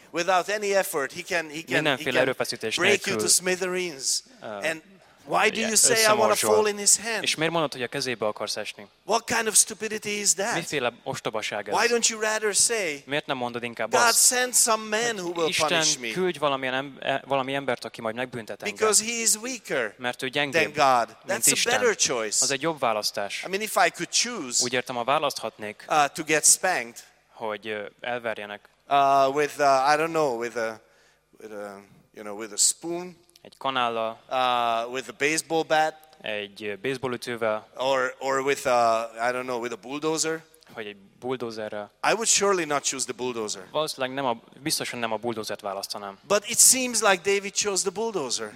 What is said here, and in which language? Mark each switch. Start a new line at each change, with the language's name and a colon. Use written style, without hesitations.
English: Without any effort, he can break you to smithereens. And why do you say I want to fall in his hand?
Hungarian: És miért mondod, hogy a kezébe akarsz esni?
English: What kind of stupidity is that?
Hungarian: Miféle ostobaság ez?
English: Why don't you rather say?
Hungarian: Miért nem mondod inkább azt?
English: God send some man who will punish me.
Hungarian: Isten küldj valami embert, aki majd megbüntet engem.
English: Because he is weaker.
Hungarian: Mert ő gyengébb.
English: Than God. That's a better choice.
Hungarian: Az egy jobb választás.
English: I mean, if I could choose.
Hungarian: Úgy értem, ha választhatnék.
English: To get spanked.
Hungarian: Hogy elverjenek.
English: With a spoon.
Hungarian: Egy kanállal.
English: With a baseball bat.
Hungarian: Egy baseball ütővel.
English: Or with a, I don't know, with a bulldozer.
Hungarian: Vagy egy bulldozerrel.
English: I would surely not choose the bulldozer.
Hungarian: Valószínűleg biztosan nem a bulldozert választanám.
English: But it seems like David chose the bulldozer.